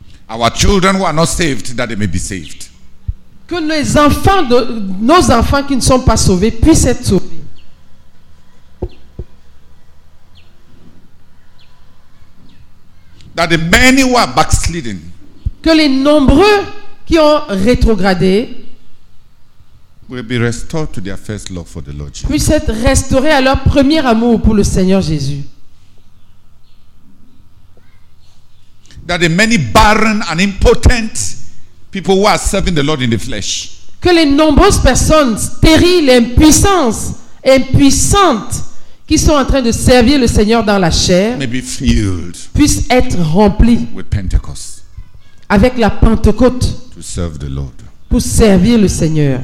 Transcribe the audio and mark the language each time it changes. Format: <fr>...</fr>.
<en>Our children who are not saved, that they may be saved.</en> <fr>Que les enfants de nos enfants qui ne sont pas sauvés puissent être sauvés.</fr> <en>That the many who are backsliding.</en> <fr>Que les nombreux qui ont rétrogradé</fr> <en>will be restored to their first love for the Lord Jesus.</en> <fr>Puissent être restaurés à leur premier amour pour le Seigneur Jésus.</fr> <en>That the many barren and impotent people who are serving the Lord in the flesh.</en> <fr>Que les nombreuses personnes stériles, impuissantes, qui sont en train de servir le Seigneur dans la chair,</fr> <en>may be filled,</en> <fr>puissent être remplies</fr> <en>with Pentecost,</en> <fr>avec la Pentecôte,</fr> <en>to serve the Lord,</en> <fr>pour servir le Seigneur.</fr>